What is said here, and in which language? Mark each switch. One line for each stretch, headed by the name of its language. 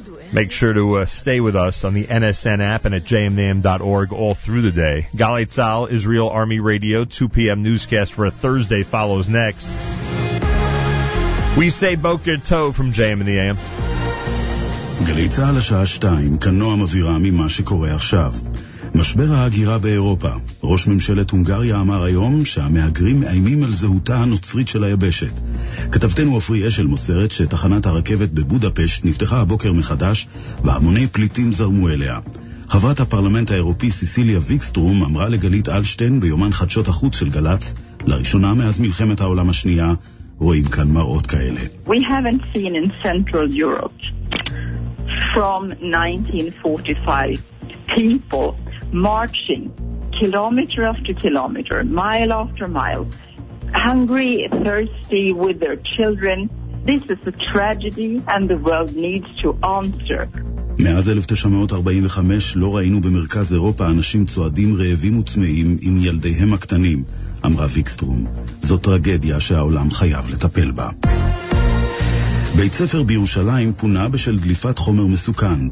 English: Make sure to stay with us on the NSN app and at jmnam.org all through the day. Galei Tzal, Israel Army Radio, 2 p.m. newscast for a Thursday follows next. We say Boker Tov from JM in the AM.
Hebrew: Galei Tzal, השעה 2, כנוע מבירה ממה שקורה עכשיו. משבר ההגירה באירופה. ראש ממשלת הונגריה אמר היום שהמאגרים מאיימים על זהותה הנוצרית של היבשת. כתבתנו אופרי אשל מוסרת שתחנת הרכבת בבודפשט נפתחה הבוקר מחדש והמוני פליטים זרמו אליה. חברת הפרלמנט האירופי סיסיליה ויקסטרום אמרה לגלית אלשטיין ביומן חדשות החוץ של גלץ, לראשונה מאז מלחמת העולם השנייה, רואים כאן מראות כאלה.
English: We haven't seen in Central Europe from 1945 people marching kilometer after kilometer, mile after mile, hungry, thirsty with their children. This is a tragedy and the world needs to answer.
Hebrew: מאז 1945 לא ראינו במרכז אירופה אנשים צועדים רעבים וצמאים עם ילדיהם הקטנים, אמרה ויקסטרום. זו טרגדיה שהעולם חייב לטפל בה. בית ספר בירושלים פונה בשל דליפת חומר מסוכן.